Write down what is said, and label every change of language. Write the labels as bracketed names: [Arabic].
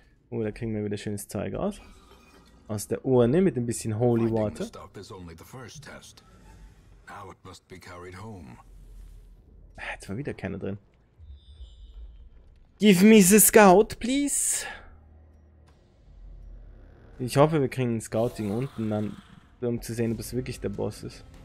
[German] Oh, da kriegen wir wieder schönes Zeug aus. Aus der Urne mit ein bisschen Holy Water. Jetzt war wieder keiner drin. [English] Give me the Scout, please! [German] Ich hoffe, wir kriegen ein Scouting unten dann, um zu sehen, ob es wirklich der Boss ist.